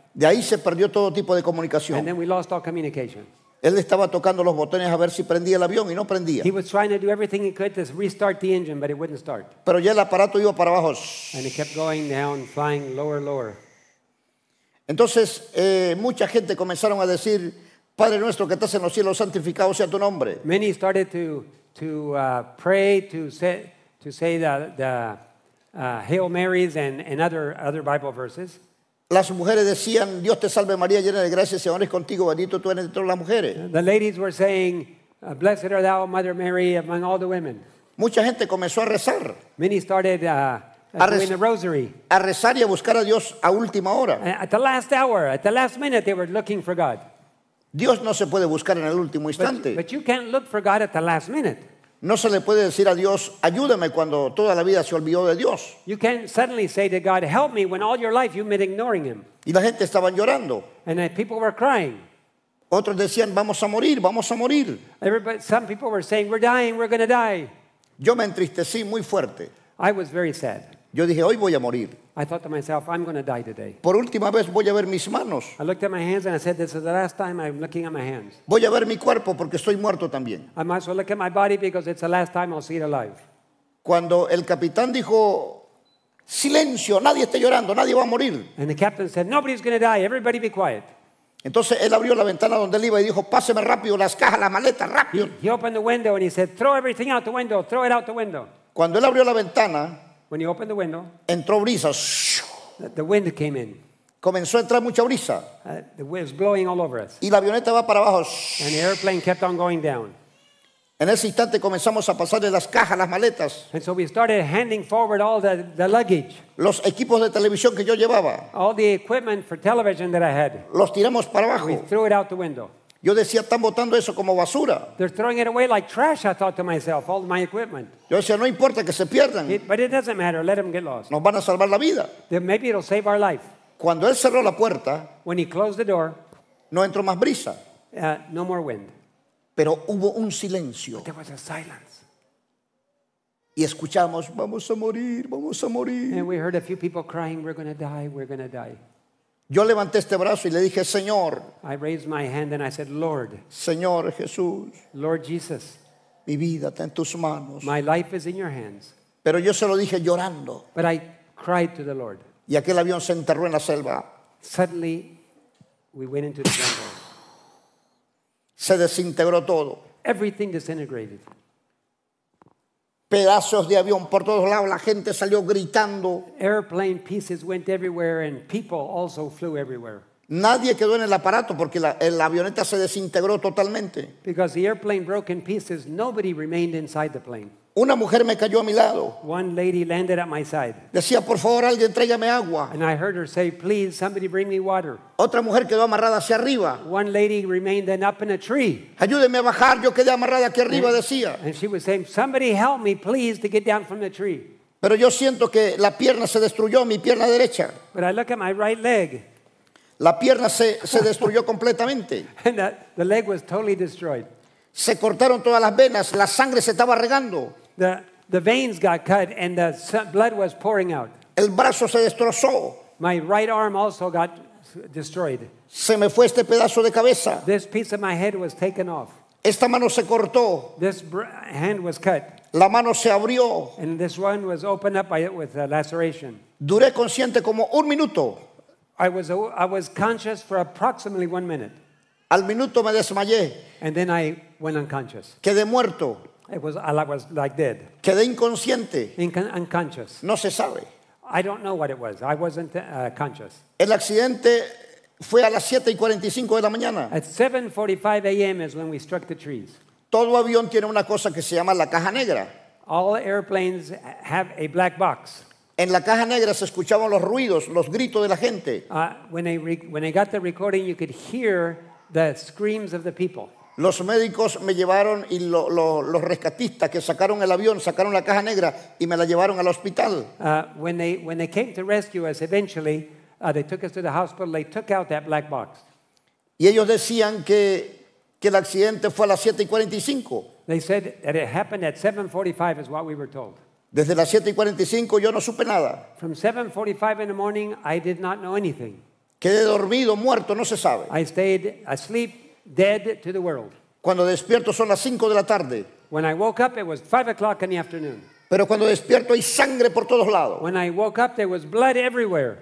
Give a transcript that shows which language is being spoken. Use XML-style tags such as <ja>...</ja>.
<es>De ahí se perdió todo tipo de comunicación.</es> <en>And then we lost all communication.</en> <es>Él estaba tocando los botones a ver si prendía el avión y no prendía.</es> <en>He was trying to do everything he could to restart the engine, but it wouldn't start.</en> <es>Pero ya el aparato iba para abajo.</es> <en>And it kept going down, flying lower, lower.</en> <es>Entonces, mucha gente comenzaron a decir, Padre nuestro que estás en los cielos, santificado sea tu nombre.</es> <en>Many started to pray to say the Hail Marys and other Bible verses.</en> <es>Las mujeres decían, Dios te salve María, llena de gracia, Señor es contigo, bendito tú eres entre todas las mujeres.</es> <en>The ladies were saying, Blessed art thou, Mother Mary, among all the women.</en> <es>Mucha gente comenzó a rezar.</es> <en>Many started doing the rosary.</en> <es>A rezar y a buscar a Dios a última hora.</es> <en>At the last hour, at the last minute, they were looking for God.</en> <es>Dios no se puede buscar en el último instante.</es> <en>But you can't look for God at the last minute.</en> <es>No se le puede decir a Dios, ayúdame cuando toda la vida se olvidó de Dios.</es> <en>You can't suddenly say to God, help me, when all your life you've been ignoring him.</en> <es>Y la gente estaba llorando.</es> <en>And people were crying.</en> <es>Otros decían, vamos a morir, vamos a morir.</es> <en>Everybody, some people were saying, we're dying, we're going to die.</en> <es>Yo me entristecí muy fuerte.</es> <en>I was very sad.</en> <es>Yo dije, hoy voy a morir.</es> <en>I thought to myself, I'm going to die today.</en> <es>Por última vez voy a ver mis manos.</es> <en>I looked at my hands and I said, this is the last time I'm looking at my hands.</en> <es>Voy a ver mi cuerpo porque estoy muerto también.</es> <en>I might as well look at my body because it's the last time I'll see it alive.</en> <es>Cuando el capitán dijo, silencio, nadie esté llorando, nadie va a morir.</es> <en>And the captain said, nobody's going to die, everybody be quiet.</en> <es>Entonces él abrió la ventana donde él iba y dijo, páseme rápido las cajas, las maletas, rápido.</es> <en>He opened the window and he said, throw everything out the window, throw it out the window.</en> <es>Cuando él abrió la ventana,</es> <en>when he opened the window,</en> <es>entró brisa.</es> <en>The wind came in.</en> <es>Comenzó a entrar mucha brisa.</es> <en>The wind was blowing all over us.</en> <es>Y la avioneta va para abajo.</es> <en>And the airplane kept on going down.</en> <es>En ese instante comenzamos a pasarle las cajas, las maletas.</es> <en>And so we started handing forward all the luggage.</en> <es>Los equipos de televisión que yo llevaba.</es> <en>All the equipment for television that I had.</en> <es>Los tiramos para abajo.</es> <en>We threw it out the window.</en> <es>Yo decía, están botando eso como basura.</es> <en>They're throwing it away like trash, I thought to myself, all my equipment.</en> <es>Yo decía, no importa que se pierdan.</es> <en>But it doesn't matter, let them get lost.</en> <es>Nos van a salvar la vida.</es> <en>Then maybe it'll save our life.</en> <es>Cuando él cerró la puerta,</es> <en>when he closed the door,</en> <es>no entró más brisa.</es> <en>No more wind.</en> <es>Pero hubo un silencio.</es> <en>But there was a silence.</en> <es>Y escuchamos, vamos a morir, vamos a morir.</es> <en>And we heard a few people crying, we're going to die, we're going to die.</en> <es>Yo levanté este brazo y le dije, Señor.</es> <en>I raised my hand and I said, Lord.</en> <es>Señor Jesús.</es> <en>Lord Jesus.</en> <es>Mi vida está en tus manos.</es> <en>My life is in your hands.</en> <es>Pero yo se lo dije llorando.</es> <en>But I cried to the Lord.</en> <es>Y aquel avión se enterró en la selva.</es> <en>Suddenly, we went into the jungle.</en> <es>Se desintegró todo.</es> <en>Everything disintegrated.</en> <es>Pedazos de avión por todos lados. La gente salió gritando.</es> <en>Airplane pieces went everywhere and people also flew everywhere.</en> <es>Nadie quedó en el aparato porque la avioneta se desintegró totalmente.</es> <en>Because the airplane broke in pieces, nobody remained inside the plane.</en> <es>Una mujer me cayó a mi lado.</es> <en>One lady landed at my side.</en> <es>Decía, por favor, alguien tráigame agua.</es> <en>And I heard her say, please, somebody bring me water.</en> <es>Otra mujer quedó amarrada hacia arriba.</es> <en>One lady remained up in a tree.</en> <es>Ayúdeme a bajar, yo quedé amarrada aquí arriba, decía.</es> <en>And she was saying, somebody help me, please, to get down from the tree.</en> <es>Pero yo siento que la pierna se destruyó, mi pierna derecha.</es> <en>But I look at my right leg.</en> <es>La pierna se destruyó completamente.</es> <en>And the leg was totally destroyed.</en> <es>Se cortaron todas las venas, la sangre se estaba regando.</es> <en>The veins got cut and the blood was pouring out.</en> <es>El brazo se destrozó.</es> <en>My right arm also got destroyed.</en> <es>Se me fue este pedazo de cabeza.</es> <en>This piece of my head was taken off.</en> <es>Esta mano se cortó.</es> <en>This hand was cut.</en> <es>La mano se abrió.</es> <en>And this one was opened up by it with a laceration.</en> <es>Duré consciente como un minuto.</es> <en>I was conscious for approximately 1 minute.</en> <es>Al minuto me desmayé.</es> <en>And then I went unconscious.</en> <es>Quedé muerto.</es> <en>I was like dead.</en> <es>Quedé inconsciente.</es> <en>Unconscious.</en> <es>No se sabe.</es> <en>I don't know what it was. I wasn't conscious.</en> <es>El accidente fue a las 7:45 de la mañana.</es> <en>At 7:45 a.m. is when we struck the trees.</en> <es>Todo avión tiene una cosa que se llama la caja negra.</es> <en>All airplanes have a black box.</en> <es>En la caja negra se escuchaban los ruidos, los gritos de la gente.</es> <en>When I got the recording, you could hear the screams of the people.</en> <es>Los médicos me llevaron y los rescatistas que sacaron el avión sacaron la caja negra y me la llevaron al hospital.</es> <en>When they came to rescue us, eventually they took us to the hospital. They took out that black box.</en> <es>Y ellos decían que el accidente fue a las 7:45.</es> <en>They said that it happened at 7:45 is what we were told.</en> <es>Desde las 7:45 yo no supe nada.</es> <en>From 7:45 in the morning, I did not know anything.</en> <es>Quedé dormido, muerto, no se sabe.</es> <en>I stayed asleep. Dead to the world.</en> <es>Cuando despierto son las 5 de la tarde.</es> <en>When I woke up, it was 5 o'clock in the afternoon.</en> <es>Pero cuando despierto hay sangre por todos lados.</es> <en>When I woke up, there was blood everywhere.</en>